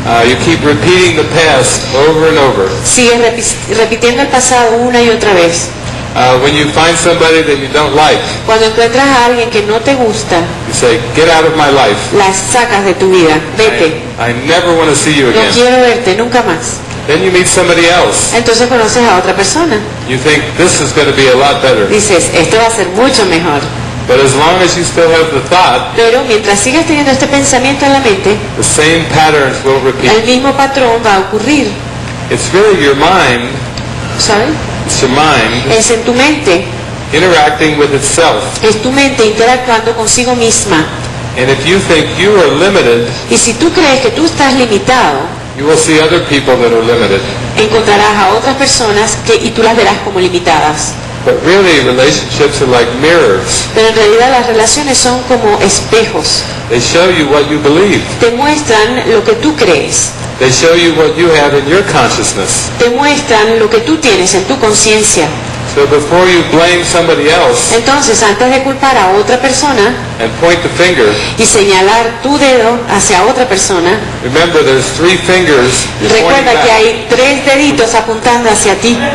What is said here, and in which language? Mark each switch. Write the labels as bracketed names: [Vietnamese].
[English] You keep repeating the past over and over. [Spanish] Sigues repitiendo el pasado una y otra vez. [English] When you find somebody that you don't like, [Spanish] cuando encuentras a alguien que no te gusta, [English] you say, get out of my life. [Spanish] La sacas de tu vida. Vete. [English] I never want to see you again. [Spanish] No quiero verte nunca más. [English] Then you meet somebody else. [Spanish] Entonces conoces a otra persona. [English] You think this is going to be a lot better. [Spanish] Dices, esto va a ser mucho mejor. [English] But as long as you still have the thought, [Spanish] pero mientras sigas teniendo este pensamiento en la mente, [English] the same patterns will repeat. [Spanish] El mismo patrón va a ocurrir. [English] It's really your mind. Sorry. It's your mind. [Spanish] Es en tu mente. [English] Interacting with itself. [Spanish] Es tu mente interactuando consigo misma. [English] And if you think you are limited, [Spanish] y si tú crees que tú estás limitado, [English] you will see other people that are limited. [Spanish] Encontrarás a otras personas que, y tú las verás como limitadas. [English] But really, relationships are like mirrors. [Spanish] Pero en realidad las relaciones son como espejos. [English] They show you what you believe. [Spanish] Te muestran lo que tú crees. [English] They show you what you have in your consciousness. [Spanish] Te muestran lo que tú tienes en tu conciencia. [English] So before you blame somebody else, [Spanish] entonces antes de culpar a otra persona, [English] and point the finger, [Spanish] y señalar tu dedo hacia otra persona, [English] remember there's three fingers, [Spanish] recuerda que hay tres deditos apuntando hacia ti,